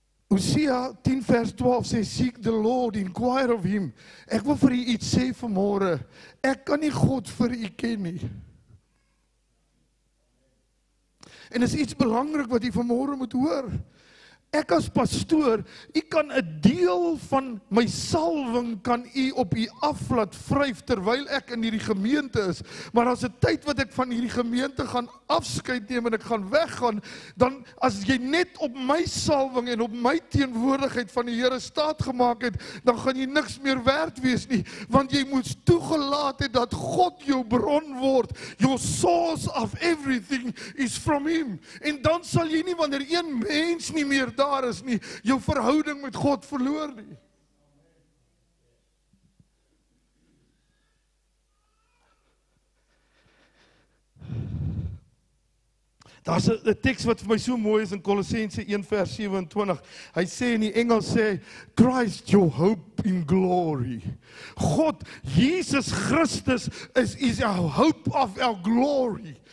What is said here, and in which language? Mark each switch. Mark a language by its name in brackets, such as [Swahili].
[Afrikaans] Hosea 10 vers 12 sê, [English] Seek the Lord, inquire of Him. [Afrikaans] Ek wil vir u iets sê vanmôre. Ek kan nie God vir u ken nie. En is iets belangrik wat u vanmôre moet hoor. Ek as pastoor, u kan 'n deel van my salwing kan u op u af laat vryf terwyl ek in hierdie gemeente is. Maar as 'n tyd wat ek van hierdie gemeente gaan afskeid neem en ek gaan weggaan, dan as jy net op my salwing en op my teenwoordigheid van die Here staat gemaak het, dan gaan jy niks meer werd wees nie, want jy moes toegelaat het dat God jou bron word. [English] Your source of everything is from Him. [Afrikaans] En dan sal jy nie wanneer een mens nie meer daar is nie, jou verhouding met God verloor nie. Daar is 'n tekst wat vir my so mooi is in Kolossense 1 vers 27. Hy sê in die Engels sê, [English] Christ your hope in glory. God, Jesus Christus is our hope of our glory.